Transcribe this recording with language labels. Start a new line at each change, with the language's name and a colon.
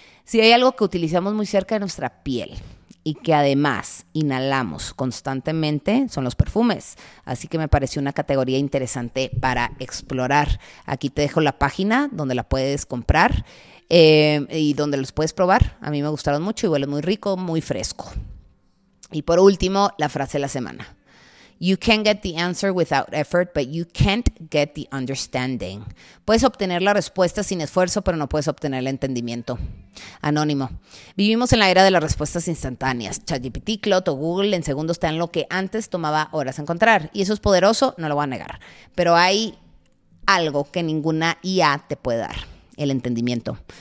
Spanish: Si hay algo que utilizamos muy cerca de nuestra piel y que además inhalamos constantemente, son los perfumes. Así que me pareció una categoría interesante para explorar. Aquí te dejo la página donde la puedes comprar y donde los puedes probar. A mí me gustaron mucho y huele muy rico, muy fresco. Y por último, la frase de la semana.
English: You can get the answer without effort, but you can't get the understanding.
Spanish: Puedes obtener la respuesta sin esfuerzo, pero no puedes obtener el entendimiento. Anónimo. Vivimos en la era de las respuestas instantáneas. ChatGPT, Claude o Google en segundos te dan lo que antes tomaba horas encontrar. Y eso es poderoso, no lo voy a negar. Pero hay algo que ninguna IA te puede dar. El entendimiento.